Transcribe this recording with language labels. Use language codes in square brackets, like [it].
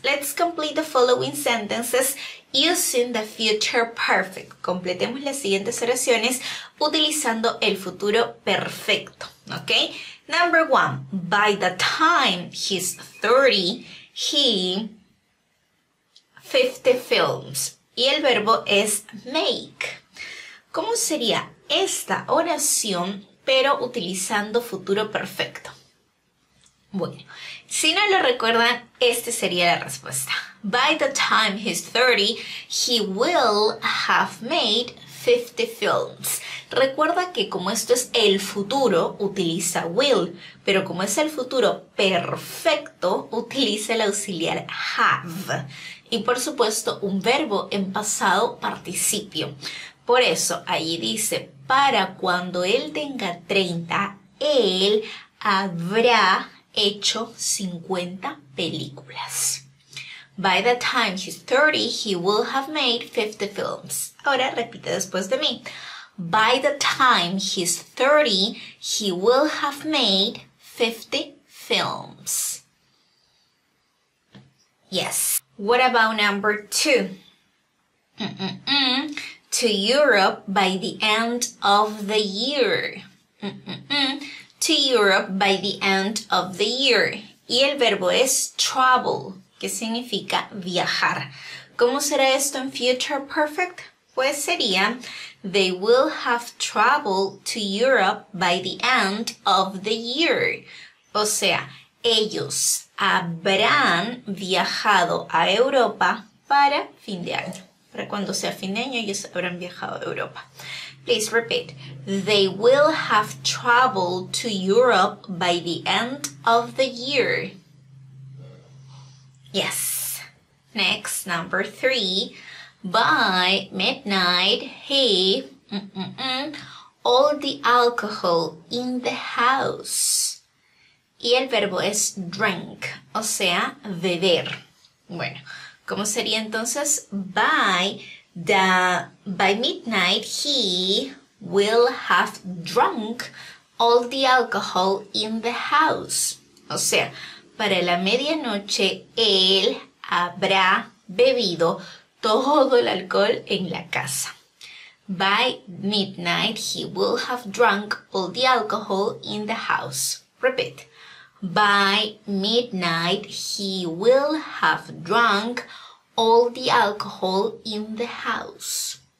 [en] Let's complete the following sentences using the future perfect. [es] Completemos las siguientes oraciones utilizando el futuro perfecto, ¿ok? [en] Number one, by the time he's 30, he 50 films. [es] Y el verbo es make. ¿Cómo sería esta oración, pero utilizando futuro perfecto? Bueno, si no lo recuerdan, esta sería la respuesta. [en] By the time he's 30, he will have made 50 films. [es] Recuerda que como esto es el futuro, utiliza will. Pero como es el futuro perfecto, utiliza el auxiliar have. Y por supuesto, un verbo en pasado participio. Por eso, ahí dice, para cuando él tenga 30, él habrá hecho 50 películas. [en] By the time he's 30, he will have made 50 films. [es] Ahora repite después de mí. [en] By the time he's 30, he will have made 50 films. Yes. What about number two? To Europe by the end of the year. To Europe by the end of the year. [es] Y el verbo es travel, que significa viajar. ¿Cómo será esto en future perfect? Pues sería, [en] they will have traveled to Europe by the end of the year. [es] O sea, ellos habrán viajado a Europa para fin de año. Para cuando sea fin de año, ellos habrán viajado a Europa. [en] Please repeat. They will have traveled to Europe by the end of the year. Yes. Next, number three. By midnight, he all the alcohol in the house. [es] Y el verbo es drink, o sea, beber. Bueno, ¿cómo sería entonces? [en] By midnight, he will have drunk all the alcohol in the house. [es] O sea, para la medianoche, él habrá bebido todo el alcohol en la casa. [en] By midnight, he will have drunk all the alcohol in the house. Repeat. By midnight, he will have drunk all the alcohol in the house.